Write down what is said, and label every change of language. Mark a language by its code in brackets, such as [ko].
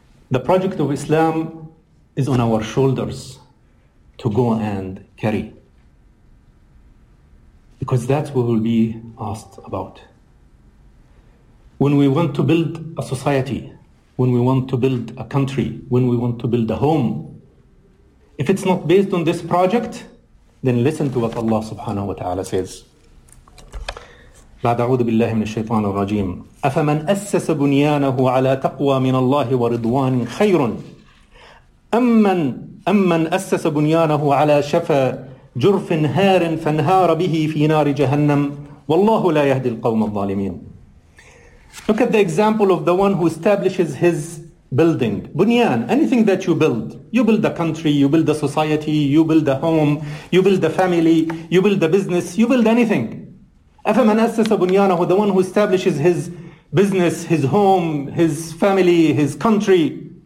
[en] The project of Islam is on our shoulders to go and carry, because that's what we'll be asked about. When we want to build a society, when we want to build a country, when we want to build a home, if it's not based on this project, then listen to what Allah subhanahu wa ta'ala says. [ar] بعد أعوذ بالله من الشيطان الرجيم أفمن أسس بنيانه على تقوى من الله ورضوان خير أمن أسس بنيانه على شفا جرف هار فانهار به في نار جهنم والله لا يهدي القوم الظالمين. [en] Look at the example of the one who establishes his building. Bunyan, anything that you build. You build a country, you build a society, you build a home, you build a family, you build a business, you build anything. [ar] أَفَمَنْ أَسَّسَ بُنْيَانَهُ [en] The one who establishes his business, his home, his family, his country.